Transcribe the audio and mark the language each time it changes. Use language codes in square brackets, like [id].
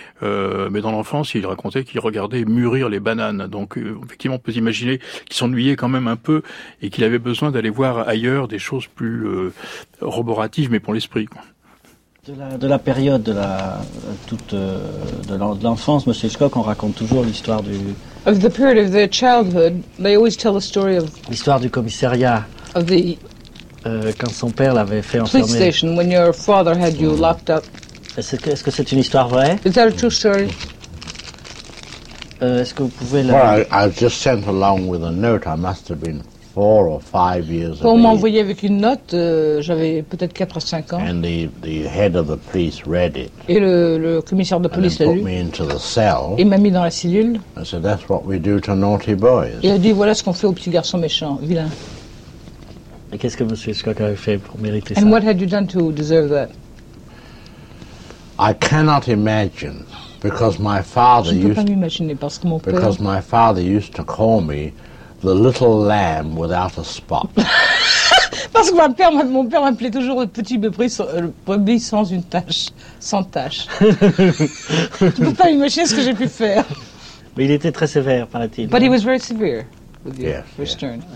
[fr] Mais dans l'enfance, il racontait qu'il regardait mûrir les bananes. Donc, effectivement, on peut imaginer qu'il s'ennuyait quand même un peu et qu'il avait besoin d'aller voir ailleurs des choses plus roboratives, mais pour l'esprit, quoi. De la période de la toute de l'enfance, M. Hitchcock, on raconte toujours l'histoire du. [en] Of the period of their childhood, they always tell the story of. [fr] L'histoire du commissariat. [en] Of the. [fr] Quand son père l'avait fait enfermer. [en] Police station, when your father had you locked up. [fr] Est-ce que c'est une histoire vraie? [en] Is that a true story? [fr] Est-ce que vous pouvez la. [en] Well, I was just sent along with a note. I must have been 4 or 5 years old. [fr] On m'a envoyé avec une note. J'avais peut-être 4 ou 5 ans. [en] And the head of the police read it. [fr] Et le commissaire de police l'a lu. [en] And put me into the cell. [fr] Il m'a mis dans la cellule. [en] And said, that's what we do to naughty boys. [fr] Il a dit voilà ce qu'on fait aux petits garçons méchants, vilains. Et qu'est-ce que M. Hitchcock avait fait pour mériter ça? [en] And what had you done to deserve that? I cannot imagine, because my father used. [fr] Je ne peux pas m'imaginer parce que mon père. [en] Because my father used to call me the little lamb without a spot. [fr] Parce que mon père m'appelait toujours le petit brebis sans une tache, sans tache. Tu ne peux pas m'imaginer ce que j'ai pu faire. Mais il était très sévère, paraît-il. [en] But he was very severe with you, yes, with Stern.